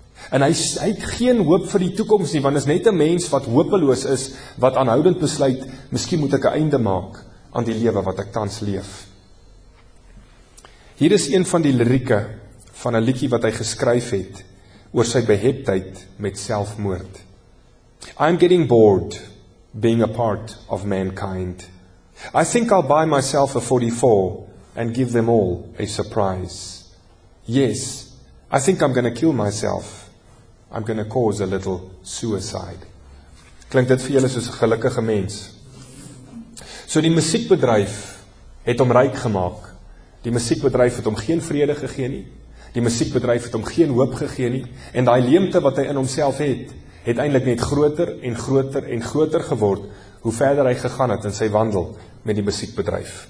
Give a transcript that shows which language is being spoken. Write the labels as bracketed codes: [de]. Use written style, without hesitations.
[af] En hy het geen hoop vir die toekoms nie, want is net 'n mens wat hopeloos is, wat aanhoudend besluit, miskien moet ek 'n einde maak aan die lewe wat ek tans leef. Hier is een van die lirieke van 'n liedjie wat hy geskryf het oor sy beheptheid met selfmoord. [en] I'm getting bored being a part of mankind. I think I'll buy myself a 44 and give them all a surprise. Yes, I think I'm going to kill myself. I'm going to cause a little suicide. [af] Klink dit vir julle soos 'n gelukkige mens? So die musiekbedryf het hom ryk gemaak. Die musiekbedryf het hom geen vrede gegee nie. Die musiekbedryf het hom geen hoop gegee nie en daai leemte wat hy in homself het, het eintlik net groter en groter en groter geword hoe verder hy gegaan het in sy wandel met die musiekbedryf.